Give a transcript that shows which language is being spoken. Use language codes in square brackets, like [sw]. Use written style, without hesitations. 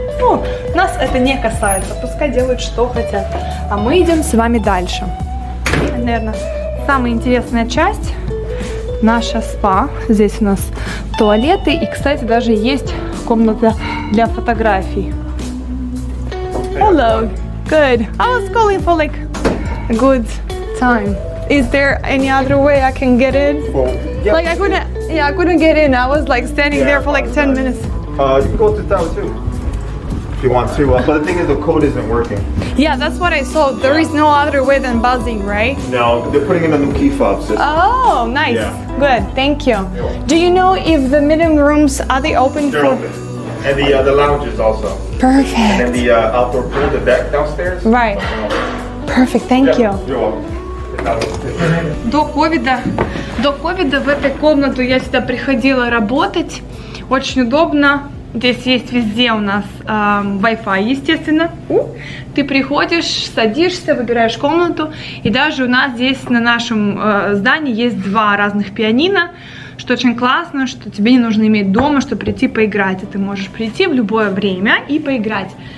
[ru] Ну, нас это не касается, пускай делают, что хотят. А мы идем с вами дальше. Наверное, самая интересная часть – наша спа. Здесь у нас туалеты и, кстати, даже есть комната для фотографий. [en] Hello, good. I was calling for like good time. Is there any other way I can get in? Like I couldn't get in. I was like standing there for like 10 minutes. You can go to town too. If you want to, but the thing is the code isn't working. Yeah, that's what I saw. There is no other way than buzzing, right? No, they're putting in a new key fob system. Oh, nice. Yeah. Good, thank you. Do you know if the meeting rooms, are they open? They're for... open. And the lounges also. Perfect. And the outdoor pool, the deck downstairs. Right. Perfect, thank you. You're welcome. [ru] До ковида в этой комнату я сюда приходила работать. Очень удобно. Здесь есть везде у нас Wi-Fi, естественно. Ты приходишь, садишься, выбираешь комнату. И даже у нас здесь на нашем здании есть два разных пианино, что очень классно, что тебе не нужно иметь дома, чтобы прийти поиграть. И ты можешь прийти в любое время и поиграть.